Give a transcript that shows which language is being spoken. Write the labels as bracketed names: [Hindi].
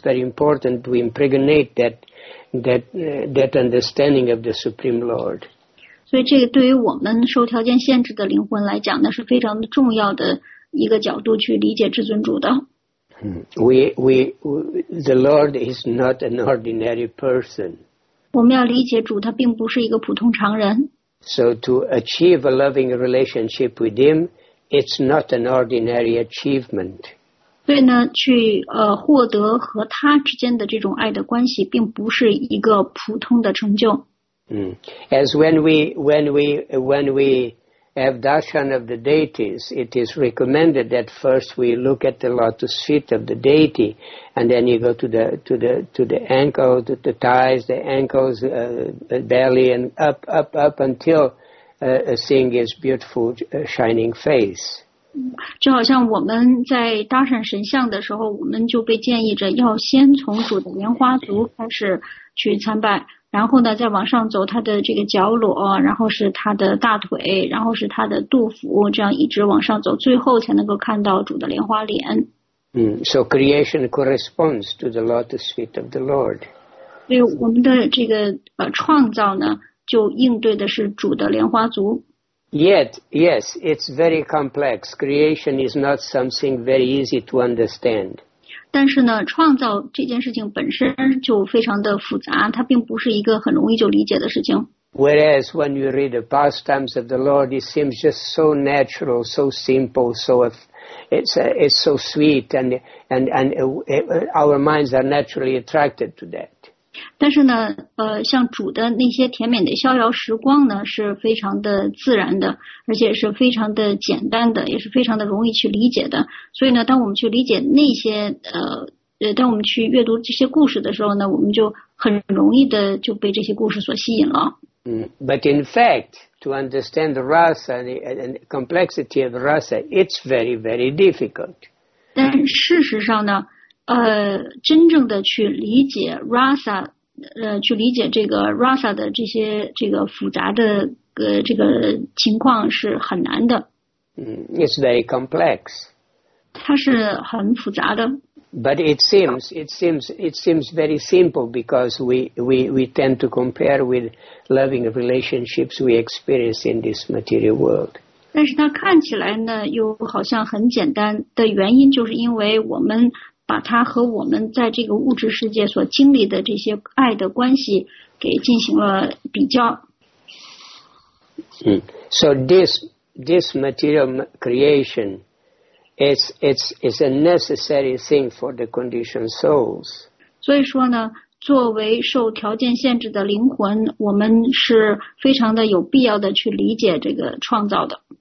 [English] Very important to impregnate that understanding of the Supreme Lord. [Chinese] 所以这个对于我们受条件限制的灵魂来讲，那是非常重要的一个角度去理解至尊主的。 [English] We the Lord is not an ordinary person. [Chinese] 我们要理解主，他并不是一个普通常人。 [English] So to achieve a loving relationship with Him. It's not an ordinary achievement. [Chinese] 所以呢，去获得和他之间的这种爱的关系，并不是一个普通的成就。 [English] As when we have darshan of the deities, it is recommended that first we look at the lotus feet of the deity, and then you go to the ankles, the thighs, the ankles, belly, and up until. Seeing his beautiful shining face. [Chinese] 就好像我们在搭讪神像的时候，我们就被建议着要先从主的莲花足开始去参拜，然后呢再往上走他的这个脚裸，然后是他的大腿，然后是他的肚腹，这样一直往上走，最后才能够看到主的莲花脸。 [English] So creation corresponds to the lotus feet of the Lord. [Chinese] 所以我们的这个创造呢就应对的是主的莲花足。 [English] Yet, yes, it's very complex. Creation is not something very easy to understand. [Chinese] 但是呢，创造这件事情本身就非常的复杂，它并不是一个很容易就理解的事情。 [English] Whereas when you read the pastimes of the Lord, it seems just so natural, so simple, so it's so sweet, and our minds are naturally attracted to that. [Chinese] 但是呢，像主的那些甜美的逍遥时光呢，是非常的自然的，而且是非常的简单的，也是非常的容易去理解的。所以呢，当我们去理解那些当我们去阅读这些故事的时候呢，我们就很容易的就被这些故事所吸引了。 [English] But in fact, to understand the rasa and the complexity of the rasa, it's very, very difficult. [Chinese] 但事实上呢，真正的去理解 rasa， 去理解这个 rasa 的这些这个复杂的这个情况是很难的。 [English] It's very complex. [Chinese] 它是很复杂的。 [English] But it seems very simple because we tend to compare with loving relationships we experience in this material world. [Chinese] 但是它看起来呢，又好像很简单的原因，就是因为我们把它和我们在这个物质世界所经历的这些爱的关系给进行了比较。 [English] So this material creation is a necessary thing for the conditioned souls. [Chinese] 所以说呢，作为受条件限制的灵魂，我们是非常的有必要的去理解这个创造的。